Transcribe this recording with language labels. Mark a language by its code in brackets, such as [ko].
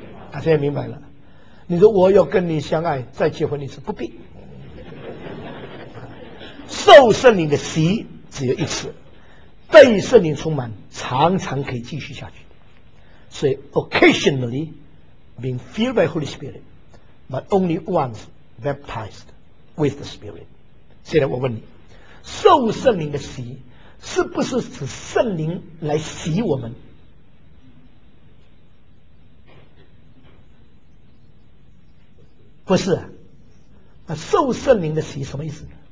[zh] 啊，现在明白了。你说我要跟你相爱再结婚一次，不必。受圣灵的洗只有一次，被圣灵充满常常可以继续下去。所以 [en] occasionally being filled by Holy Spirit but only once baptized with the Spirit。 [zh] 现在我问你，受圣灵的洗是不是指圣灵来洗我们？不是啊，受圣灵的洗什么意思？